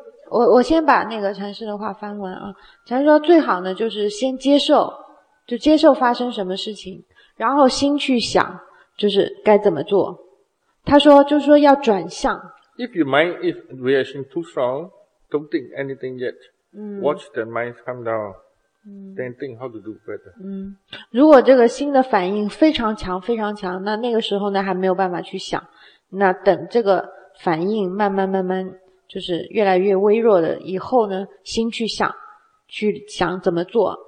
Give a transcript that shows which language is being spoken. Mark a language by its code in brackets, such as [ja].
[zh] 我先把那个禅师的话翻完啊。禅师说最好呢就是先接受，就接受发生什么事情，然后心去想就是该怎么做。他说就是说要转向。 [en] If your mind is reaction too strong, don't think anything yet. Watch the mind calm down. Then think how to do better. [zh] 如果这个心的反应非常强非常强，那个时候呢还没有办法去想。那等这个反应慢慢就是越来越微弱的以后呢，心去想怎么做。